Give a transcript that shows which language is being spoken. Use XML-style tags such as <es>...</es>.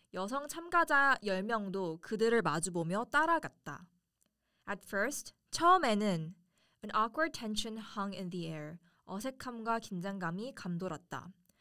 <ko>여성 참가자 10명도 그들을 마주보며 따라갔다.</ko> <en>At first,</en> <ko>처음에는</ko> <en>an awkward tension hung in the air.</en> <ko>어색함과 긴장감이 감돌았다.</ko>